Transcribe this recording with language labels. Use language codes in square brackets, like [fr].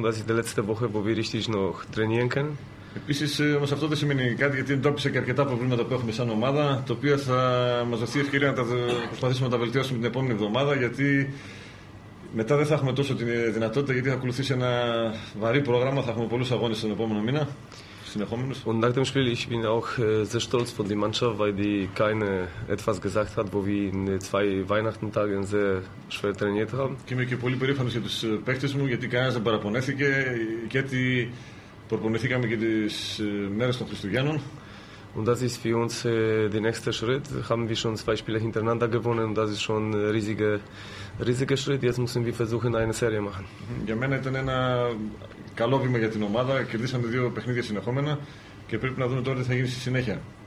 [de] Das ist die letzte Woche, wo wir richtig noch trainieren können. [el] Επίσης, όμως αυτό δεν σημαίνει κάτι, γιατί εντόπισε και αρκετά προβλήματα που έχουμε σαν ομάδα, το οποίο θα μας δοθεί ευκαιρία να τα προσπαθήσουμε να τα βελτιώσουμε την επόμενη εβδομάδα, γιατί μετά δεν θα έχουμε τόσο τη δυνατότητα, γιατί θα ακολουθήσει ένα βαρύ πρόγραμμα, θα έχουμε πολλούς αγώνες τον επόμενο μήνα, συνεχόμενους. [de] Und nach dem Spiel, ich bin auch sehr stolz von der Mannschaft, weil die keine etwas gesagt hat, wo wir in zwei Weihnachtentagen sehr schwer trainiert haben. [el] Και είμαι και πολύ περήφανος για τους παίκτες μου, γιατί κανένας δεν παραπονέθηκε, γιατί προπονηθήκαμε και τις μέρες των Χριστουγέννων. [de] Und das ist für uns der nächste Schritt. Haben wir schon zwei Spiele hintereinander gewonnen und das ist schon ein riesiger Schritt. Jetzt müssen wir versuchen, eine Serie machen. [el] Για μένα ήταν ένα καλό βήμα για την ομάδα. Κερδίσαμε δύο παιχνίδια συνεχόμενα και πρέπει να δούμε τώρα τι θα γίνει στη συνέχεια.